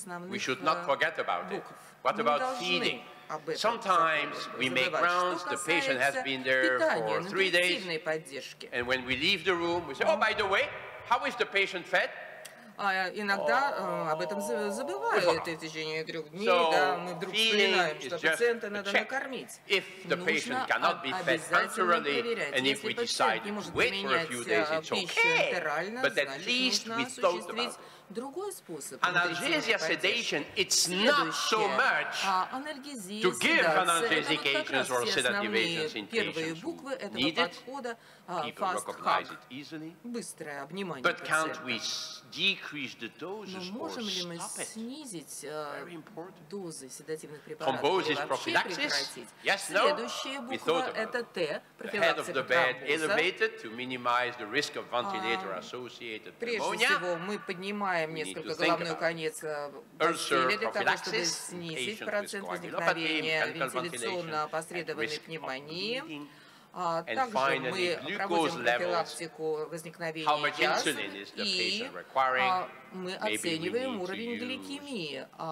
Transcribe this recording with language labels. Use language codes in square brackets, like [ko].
[en] We should not forget about it. What about feeding? Sometimes we make rounds, the patient has been there for 3 days, and when we leave the room, we say, oh, by the way, how is the patient fed? [ru] иногда об этом забывают в течение 3 дней, so, да, мы вдруг вспоминаем, что пациента надо накормить. [en] If the patient cannot be fed enterally, and if we decide to wait for a few days, it's okay. But at least we thought about it. [ru] Другой способ. [en] Analgesia sedation, it's not so much to give analgesic agents or sedative agents in patients needed. People recognize it easily. [ru] Быстрое обнимание. [en] But can't we decrease the doses or stop it? [ru] Мы можем ли снизить дозы седативных препаратов или прекратить? [en] Yes, no. [ru] Следующая буква это Т. [en] The head of the bed elevated to minimize the risk of ventilator-associated pneumonia. [ru] Прежде всего мы поднимаем несколько головной конец постели для того, чтобы снизить процент возникновения вентиляционно-опосредованной пневмонии. Также мы проводим профилактику возникновения язв и мы оцениваем уровень гликемии.